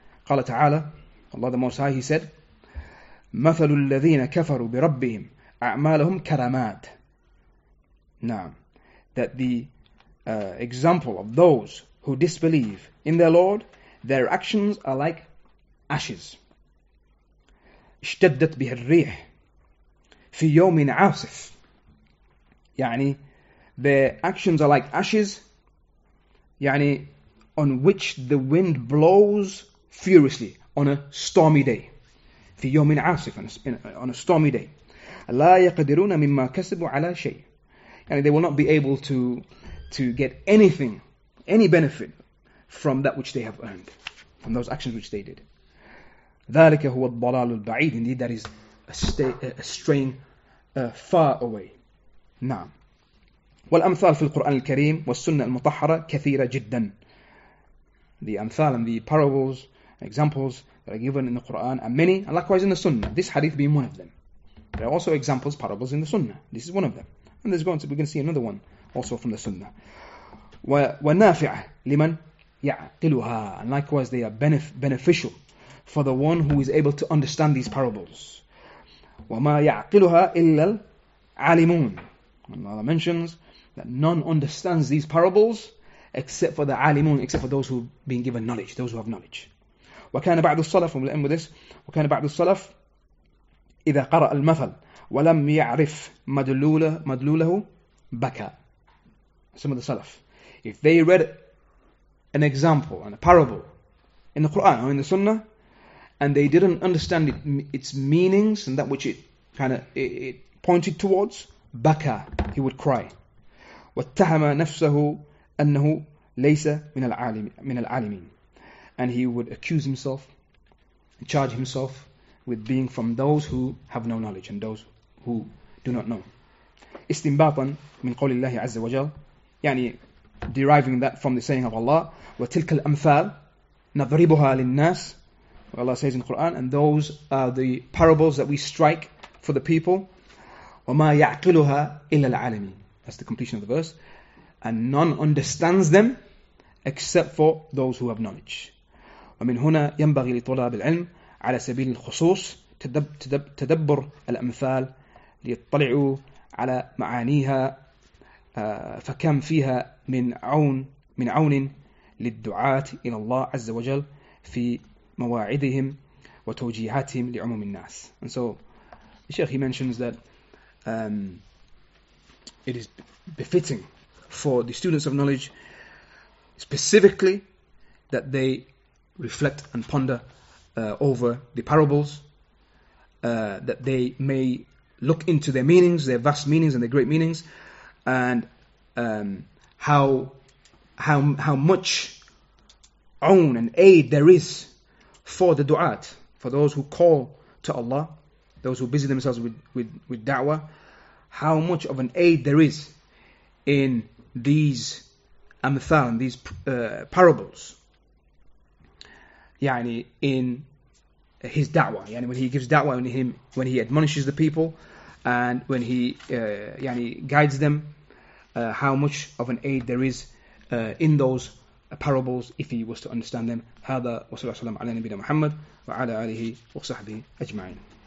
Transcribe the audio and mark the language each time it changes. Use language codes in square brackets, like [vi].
[ar] قال تعالى, [en] Allah the Most High, he said, [ar] مثل الذين كفروا بربهم أعمالهم كرامات. نعم. [en] that the example of those who disbelieve in their Lord, their actions are like ashes. [ar] اشتدت به الريح في يوم عاصف. [en] يعني their actions are like ashes, يعني on which the wind blows furiously on a stormy day. [ar] في يوم عاصف, [en] on a stormy day. [ar] لا يقدرون مما كسبوا على شيء. [en] And they will not be able to get anything, any benefit from that which they have earned, from those actions which they did. [ar] ذلك هو الضلال البعيد. [en] Indeed, that is a strain far away. نعم. [ar] والأمثال في القرآن الكريم والسنة المطهرة كثيرة جدا. [en] The amthal and the parables, examples that are given in the Quran are many, and likewise in the Sunnah. This hadith being one of them. There are also examples, parables in the Sunnah. This is one of them. And we're going to see another one also from the Sunnah. [ar] ونافع لمن يعقلها. [en] And likewise, they are beneficial for the one who is able to understand these parables. [ar] وما يعقلها إلا العالمون. [en] And Allah mentions that none understands these parables except for the عالمون, except for those who have been given knowledge, those who have knowledge. [ar] وكان بعض الصلف, [en] and we'll end with this, [ar] وكان بعض الصلف إذا قرأ المثل ولم يعرف مدلوله بكى. [en] Some of the Salaf, if they read an example and a parable in the Quran or in the Sunnah, and they didn't understand it, its meanings and that which it pointed towards, [ar] بكى, [en] he would cry. [ar] واتهم نفسه أنه ليس من العالمين. [en] And he would accuse himself, charge himself with being from those who have no knowledge and those who do not know. [ar] استنباطا من قول الله عز وجل, يعني [en] deriving that from the saying of Allah. [ar] وتلك الأمثال نضربها للناس. [en] Allah says in the Quran, and those are the parables that we strike for the people. [ar] وما يعقلها إلا العالمين. [en] That's the completion of the verse. And none understands them except for those who have knowledge. [ar] ومن هنا ينبغي لطلاب العلم على سبيل الخصوص تدبر الأمثال ليطلعوا على معانيها فكم فيها من عون للدعاة إلى الله عز وجل في مواعدهم وتوجيهاتهم لعموم الناس. [en] And so, the Sheikh, he mentions that it is befitting for the students of knowledge specifically that they reflect and ponder over the parables, that they may look into their meanings, their vast meanings and their great meanings, and how much own and aid there is for the du'at, for those who call to Allah, those who busy themselves with da'wah, how much of an aid there is in these amthal, these parables, يعني in his da'wah, يعني when he gives da'wah in him, when he admonishes the people, and when he يعني guides them, how much of an aid there is in those parables if he was to understand them. [ar] هذا وصلى الله على نبينا محمد وعلى آله وصحبه أجمعين.